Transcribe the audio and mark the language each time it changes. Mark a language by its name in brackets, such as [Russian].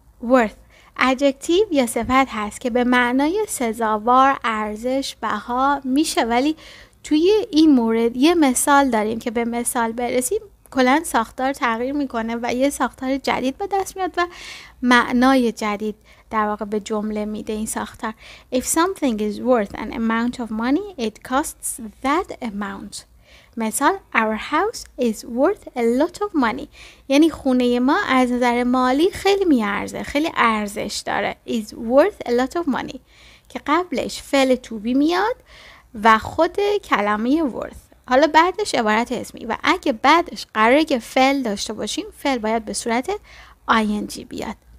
[Persian] worth adjective یا صفت هست که به معنای سزاوار، ارزش، بها میشه، ولی توی این مورد یه مثال داریم که به مثال برسیم کلن ساختار تغییر میکنه و یه ساختار جدید به دست میاد و معنای جدید در واقع به جمله میده این ساختار. [English] If something is worth an amount of money, it costs that amount. مثال our house is worth a lot of money. [Persian] یعنی خونه ما از نظر مالی خیلی میارزه، خیلی ارزش داره. [English] Is worth a lot of money [Persian] که قبلش فعل to be میاد و خود کلمه worth. حالا بعدش عبارت اسمی و اگه بعدش قراره که فعل داشته باشیم فعل باید به صورت ing بیاد.